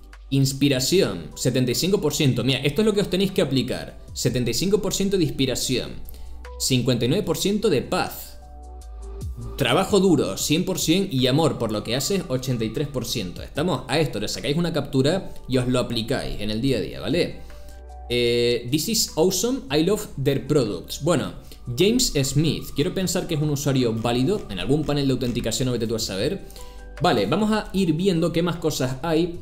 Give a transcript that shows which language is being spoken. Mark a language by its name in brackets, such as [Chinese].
[Spanish] Inspiración, 75%. Mira, esto es lo que os tenéis que aplicar. 75% de inspiración, 59% de paz. Trabajo duro, 100%, y amor por lo que haces, 83%. Estamos a esto, le sacáis una captura y os lo aplicáis en el día a día, ¿vale? [English] This is awesome, I love their products. [Spanish] Bueno, James Smith, quiero pensar que es un usuario válido en algún panel de autenticación, no vete tú a saber. Vale, vamos a ir viendo qué más cosas hay.